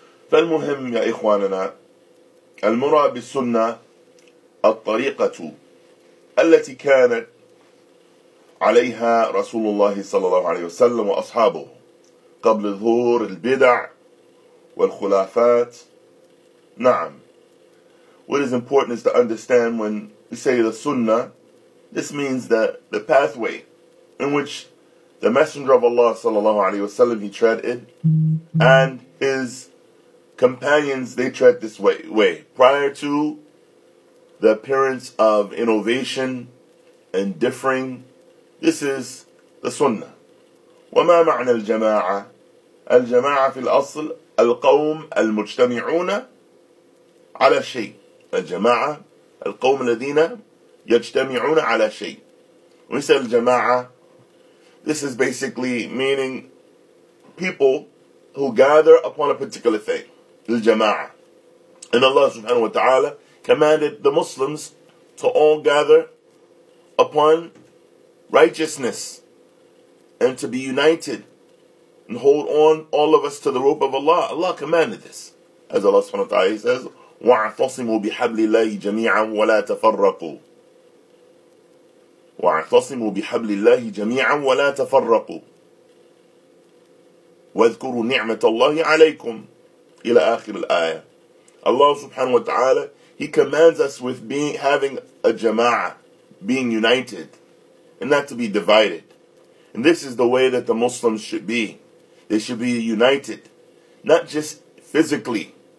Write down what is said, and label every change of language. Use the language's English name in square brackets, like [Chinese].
[Arabic] فالمهم يا إخواننا المرى بالسنة الطريقة التي كانت عليها رسول الله صلى الله عليه وسلم وأصحابه قبل ظهور البدع والخلافات. نعم. [English] What is important is to understand when we say the Sunnah, this means that the pathway in which the Messenger of Allah [Arabic] صلى الله عليه وسلم [English] he tread it, and his companions, they tread this way prior to the appearance of innovation and differing. This is the Sunnah. [Arabic] وما معنى الجماعة؟ الجماعة في الأصل القوم المجتمعون على شيء. الجماعة القوم الذين يجتمعون على شيء. [English] When we say الجماعة, this is basically meaning people who gather upon a particular thing. الجماعة. And Allah subhanahu wa ta'ala commanded the Muslims to all gather upon righteousness and to be united and hold on all of us to the rope of Allah. Allah commanded this. As Allah subhanahu wa ta'ala says, [Arabic] وَاعْتَصِمُوا بِحَبْلِ اللَّهِ جَمِيعًا وَلَا تَفَرَّقُوا وَاعْتَصِمُوا بِحَبْلِ اللَّهِ جَمِيعًا وَلَا تَفَرَّقُوا وَاذْكُرُوا نِعْمَةَ اللَّهِ عَلَيْكُمْ إِلَى آخِرِ الْآيَةِ. [English] Allah subhanahu wa ta'ala, He commands us with having a jama'ah, being united, and not to be divided. And this is the way that the Muslims should be. They should be united, not just physically.